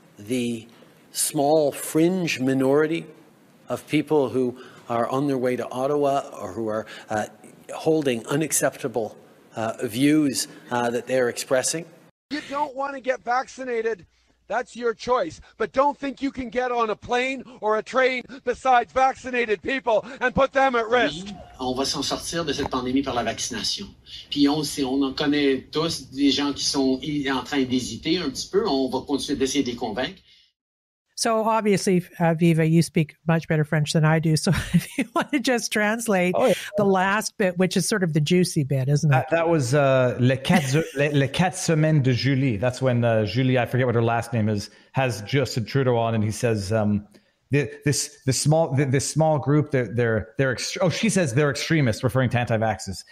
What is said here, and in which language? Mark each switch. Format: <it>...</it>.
<en>The small fringe minority of people who are on their way to Ottawa or who are holding unacceptable views that they're expressing. You don't want to get vaccinated. That's your choice. But don't think you can get on a plane or a train besides vaccinated people and put them at risk.</en> <fr>Oui, on va s'en sortir de cette pandémie par la vaccination. Puis on en connaît tous des gens qui sont en train d'hésiter un petit peu. On va continuer d'essayer de les convaincre.</fr> <en>So obviously, Viva, you speak much better French than I do. So if you want to just translate the last bit, which is sort of the juicy bit, isn't it? That was les quatre semaines de Julie. That's when Julie, I forget what her last name is, has Justin Trudeau on, and he says this small group they're extremists, referring to anti-vaxxers.</en>